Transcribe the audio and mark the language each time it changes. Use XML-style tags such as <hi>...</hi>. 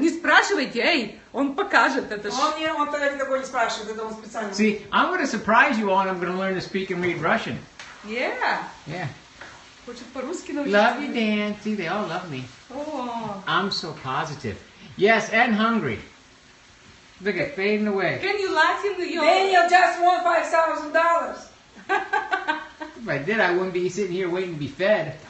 <ru>Не спрашивайте, эй, он покажет это. Он тогда никого не спрашивает, это он специально.</ru> <en>See, I'm going to surprise you all, and I'm going to learn to speak and read Russian. Yeah. Yeah.</en> <ru>Хочет по-русски научиться.</ru> <en>Love you, Dan. See, they all love me. Oh. I'm so positive. Yes, and hungry. Look at fading away. Can you laugh in the Daniel just won $5,000. If I did, I wouldn't be sitting here waiting to be fed.</en>